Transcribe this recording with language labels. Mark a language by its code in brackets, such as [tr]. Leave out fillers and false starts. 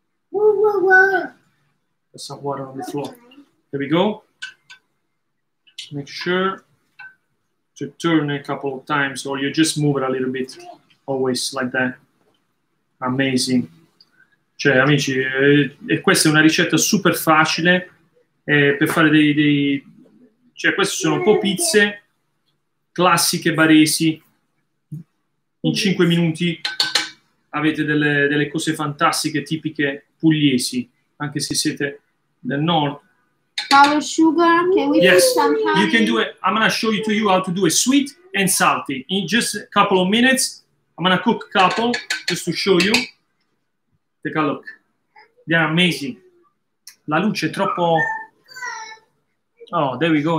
[en] Put some water on the floor. There we go. Make sure to turn a couple of times, or you just move it a little bit, always like that. Amazing. [it] Cioè, amici, e questa è una ricetta super facile. Per fare dei cioè queste sono un po' pizze classiche baresi in 5 minuti avete delle cose fantastiche tipiche pugliesi anche se siete del nord. [en] Powder sugar, can we yes put some honey? You can do it. I'm gonna show you to you how to do it sweet and salty in just a couple of minutes. I'm gonna cook a couple just to show you. Take a look, they are amazing. [it] La luce è troppo. [en] Oh, there we go.